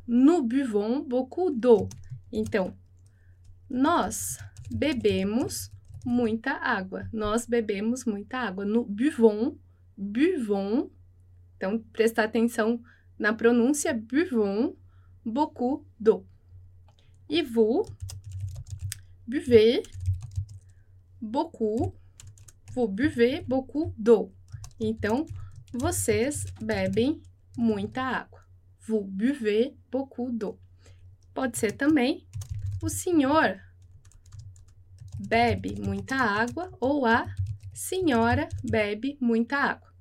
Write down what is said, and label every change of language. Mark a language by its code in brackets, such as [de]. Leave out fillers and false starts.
[fr] Nous buvons beaucoup d'eau. [pt] Então, nós bebemos muita água. Nós bebemos muita água. [fr] Nous buvons, buvons. [pt] Então, prestar atenção na pronúncia, [fr] buvons beaucoup d'eau. E vous buvez beaucoup. Vous buvez beaucoup d'eau. [pt] Então, vocês bebem muita água. [fr] Vous buvez beaucoup d'eau. [pt] Pode ser também o senhor bebe muita água ou a senhora bebe muita água.